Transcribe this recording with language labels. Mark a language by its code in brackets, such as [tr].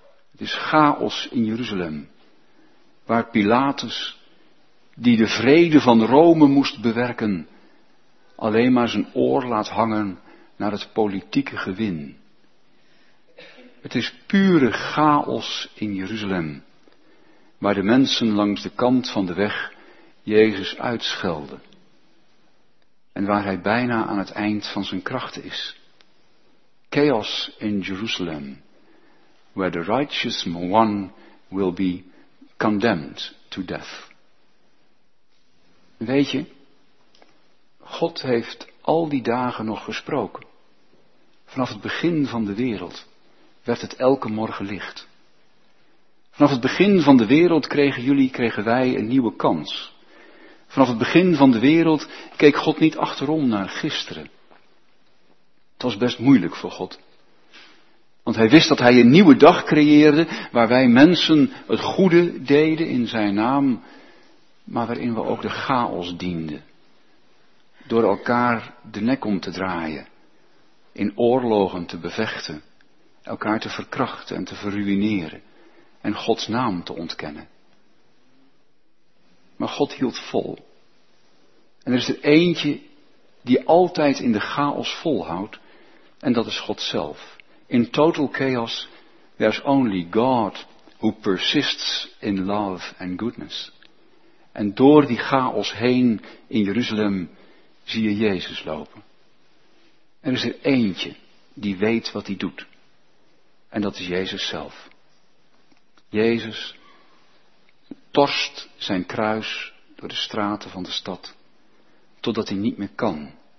[nl] Het is chaos in Jeruzalem, waar Pilatus, die de vrede van Rome moest bewerken, alleen maar zijn oor laat hangen naar het politieke gewin. Het is pure chaos in Jeruzalem, waar de mensen langs de kant van de weg Jezus uitschelden en waar hij bijna aan het eind van zijn krachten is. [en] Chaos in Jerusalem, where the righteous one will be condemned to death. [nl] Weet je, God heeft al die dagen nog gesproken. Vanaf het begin van de wereld werd het elke morgen licht. Vanaf het begin van de wereld kregen wij een nieuwe kans. Vanaf het begin van de wereld keek God niet achterom naar gisteren. Het was best moeilijk voor God. Want hij wist dat hij een nieuwe dag creëerde waar wij mensen het goede deden in zijn naam, maar waarin we ook de chaos dienden. Door elkaar de nek om te draaien, in oorlogen te bevechten, elkaar te verkrachten en te verruineren en Gods naam te ontkennen. Maar God hield vol. En er is er eentje die altijd in de chaos volhoudt, en dat is God zelf. [en] In total chaos, there's only God who persists in love and goodness. [nl] En door die chaos heen in Jeruzalem zie je Jezus lopen. En er is er eentje die weet wat hij doet. En dat is Jezus zelf. Jezus torst zijn kruis door de straten van de stad, totdat hij niet meer kan.